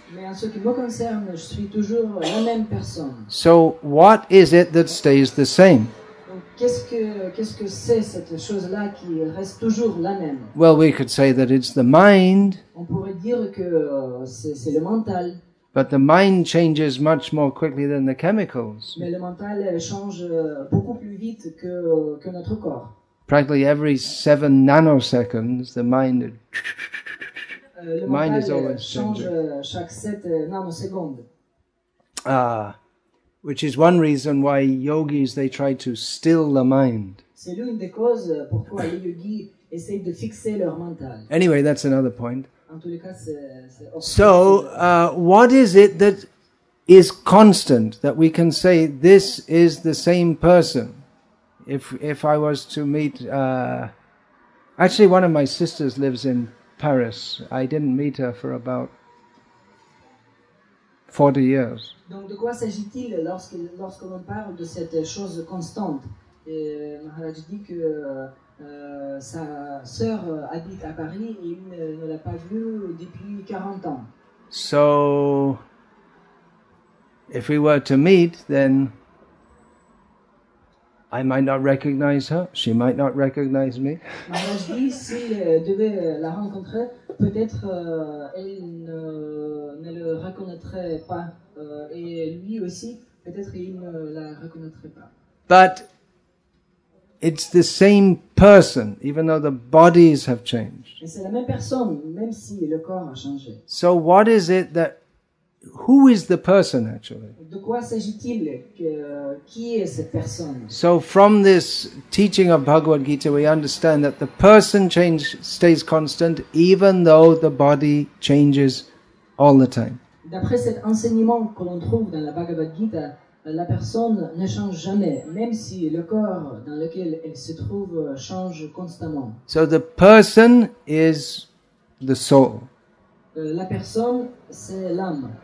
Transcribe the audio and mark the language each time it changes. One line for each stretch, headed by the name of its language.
French: Mais en ce qui me concerne, je suis toujours la même personne.
English: So what is it that stays the same?
French: Donc, Qu'est-ce que c'est cette chose-là qui reste toujours la même?
English: Well, we could say that it's the mind.
French: On pourrait dire que c'est le mental.
English: But the mind changes much more quickly than the chemicals.
French: Mais le mental change beaucoup plus vite que notre corps.
English: Practically every 7 nanoseconds, the mind.
French: Le
English: mind is always changing.
French: Change chaque 7 nanosecondes.
English: Which is one reason why yogis, they try to still the mind.
French: C'est l'une des causes pourquoi les yogis essayent de fixer leur mental.
English: Anyway, that's another point.
French: En tous les cas, c'est
English: so, what is it that is constant, that we can say this is the same person? If I was to meet... actually, one of my sisters lives in Paris. I didn't meet her for about 40 years.
French: Donc de quoi s'agit-il lorsque l'on parle de cette chose constante? Maharaj dit que sa sœur habite à Paris et il ne l'a pas vue depuis 40 ans.
English: So, if we were to meet, then I might not recognize her. She might not recognize me.
French: Maharaj dit si il devait la rencontrer, peut-être elle ne le reconnaîtrait pas. Et lui aussi, peut-être il ne la reconnaîtrait pas.
English: But it's the same person, even though the bodies have changed.
French: Mais c'est la même personne, même si le corps a changé.
English: So what is it that... Who is the person, actually?
French: De quoi s'agit-il? Qui est cette personne?
English: So from this teaching of Bhagavad Gita, we understand that the person change stays constant, even though the body changes all the time.
French: D'après cet enseignement que l'on trouve dans la Bhagavad Gita, la personne ne change jamais, même si le corps dans lequel elle se trouve change constamment.
English: So the person is the soul.
French: La personne, c'est l'âme.